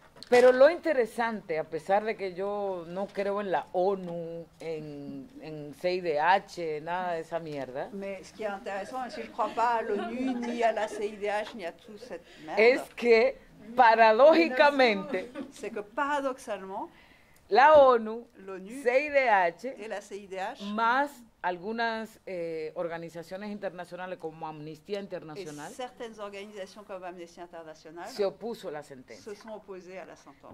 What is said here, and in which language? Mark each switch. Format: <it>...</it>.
<es>Pero lo interesante, a pesar de que yo no creo en la ONU, en CIDH, nada de esa mierda.</es> <fr>Mais ce qui est intéressant, si je crois pas à l'ONU, ni à la CIDH, ni à toute cette merde.</fr> <es>Es que paradójicamente.</es> <fr>C'est que paradoxalement.</fr> <es>La ONU,</es> <fr>l'ONU,</fr> <es>CIDH,</es> <fr>et la CIDH,</fr> <es>más algunas organizaciones internacionales como Amnistía Internacional,</es> <fr>et certaines organisations comme Amnistía Internacional,</fr> <es>se opuso a la sentencia.</es> <fr>Se sont opposés à la sentence.</fr>